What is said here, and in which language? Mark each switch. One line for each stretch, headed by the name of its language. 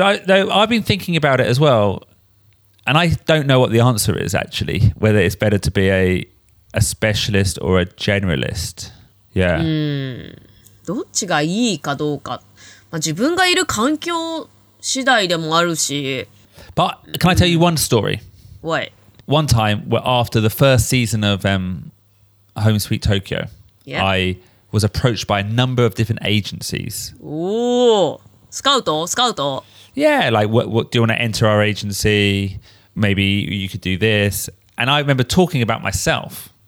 English: I've been thinking about it as well and I don't know what the answer is actually whether it's better to be a specialist or a generalistYeah.
Japanese: どっちがいいかどうか、まあ、自分がいる環境次第でもあるし
English: But can I tell you one story? What? One time after the first season of Home Sweet Tokyo、 yeah. I was approached by a number of different agencies
Japanese: スカウト?
English: Yeah, like what, do you want to enter our agency? Maybe you could do this And I remember talking about myself